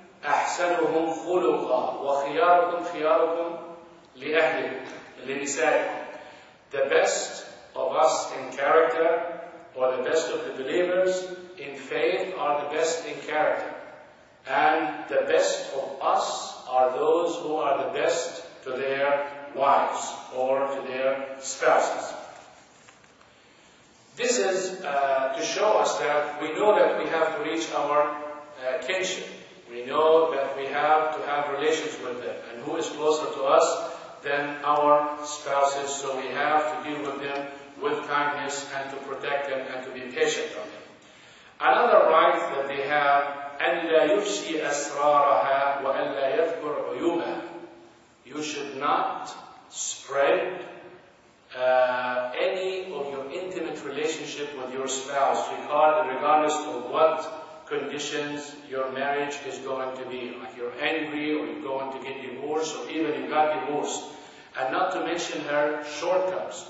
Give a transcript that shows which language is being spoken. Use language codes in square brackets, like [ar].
[ar] أحسنهم خلقا وخياركم خياركم لأهلكم لنسائكم. [en] The best of us in character, or the best of the believers in faith, are the best in character. And the best of us are those who are the best to their wives or to their spouses. This is to show us that we know that we have to reach our kinship. We know that we have to have relations with them. And who is closer to us than our spouses? So we have to deal with them with kindness and to protect them and to be patient from them. Another right that they have, [ar] أَلَّا يُفْشِي أَسْرَارَهَا وَأَلَّا يَذْكُرْ عُيُوبَهَا. [en] You should not spread any of your intimate relationship with your spouse, regardless of what conditions your marriage is going to be, like you're angry or you're going to get divorced, or even you got divorced, and not to mention her shortcomings.